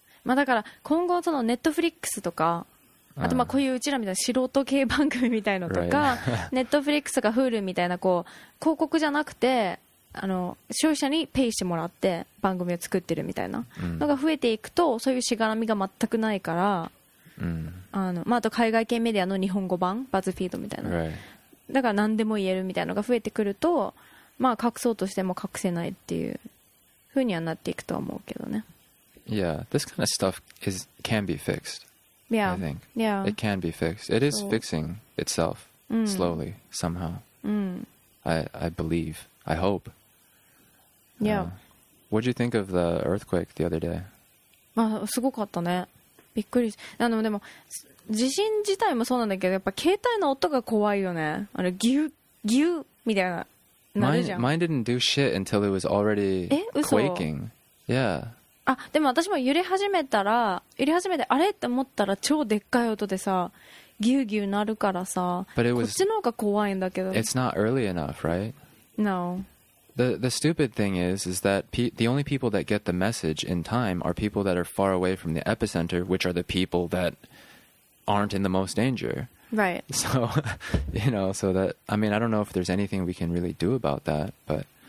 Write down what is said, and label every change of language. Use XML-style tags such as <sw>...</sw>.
<ja>まあだから今後そのネットフリックスとか、あとまあこういううちらみたいな素人系番組みたいのとか、ネットフリックスかHuluみたいなこう広告じゃなくて、あの消費者にペイしてもらって番組を作ってるみたいなのが増えていくと、そういうしがらみが全くないから、あのまああと海外系メディアの日本語版バズフィードみたいな、だから何でも言えるみたいなのが増えてくると、まあ隠そうとしても隠せないっていう風にはなっていくとは思うけどね。</ja> <en>Yeah, this kind of stuff is, can be fixed. Yeah, I think. Yeah. It can be fixed. It is fixing itself slowly, somehow. I believe. I hope. Yeah. What did you think of the earthquake the other day?</en> <ja>まあ、すごかったね。びっくり。あの、でも、地震自体もそうなんだけど、やっぱ携帯の音が怖いよね。あれ、ギュッ、ギュッみたいな。</ja> <en>Mine didn't do shit until it was already quaking. Yeah.</en> <ja>あ、でも私も揺れ始めてあれって思ったら超でっかい音でさ、ギューギューなるからさ、</ja> <en>But it was,</en> <ja>こっちの方が怖いんだけど。</ja> <en>It's not early enough, right? No. The stupid thing is that the only people that get the message in time are people that are far away from the epicenter, which are the people that aren't in the most danger. Right. So, you know, so that, I mean, I don't know if there's anything we can really do about that, but.</en>